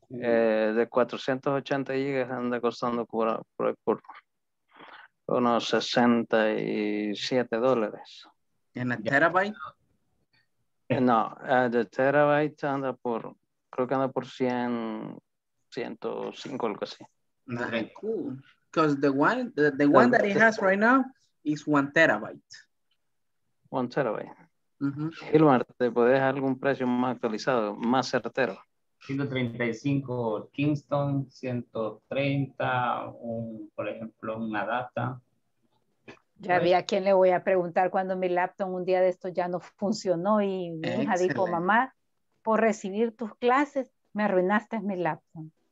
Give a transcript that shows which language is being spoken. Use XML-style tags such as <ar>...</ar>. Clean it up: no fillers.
<es>De 480 gigas anda costando por unos $67. ¿En el terabyte? No, de terabyte anda por, creo que anda por 100, 105, algo así.</es> <en>Ah, cool. Because the one that he has right now is 1 terabyte. 1 terabyte.</en> <es>Hilmar, ¿te podés dejar algún precio más actualizado, más certero? 135 Kingston, 130, por ejemplo, una data. Ya vi a quién le voy a preguntar cuando mi laptop un día de esto ya no funcionó y mi hija dijo, mamá, por recibir tus clases me arruinaste mi laptop.</es>